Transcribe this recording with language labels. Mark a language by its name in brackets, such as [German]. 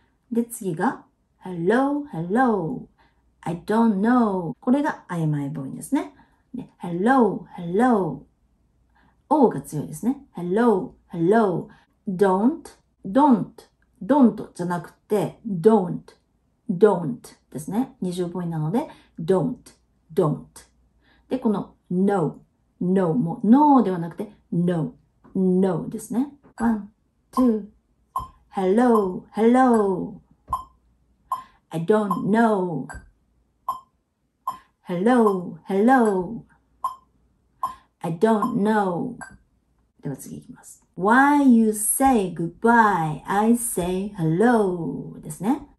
[Japanese] で、次が、 [English] hello, hello, I don't know. [Japanese] これが曖昧母音ですね。で、hello, hello, O が強いですね。 hello, hello, don't, don't, don't じゃなくて、don't, don't ですね。二重母音なので、don't, don't。で、この、No, no, もう no ではなくて no, no ですね。 [English] One, two, hello, hello, I don't know, hello, hello, I don't know. [Japanese] では次いきます。 [English] Why you say goodbye, I say hello [Japanese] ですね。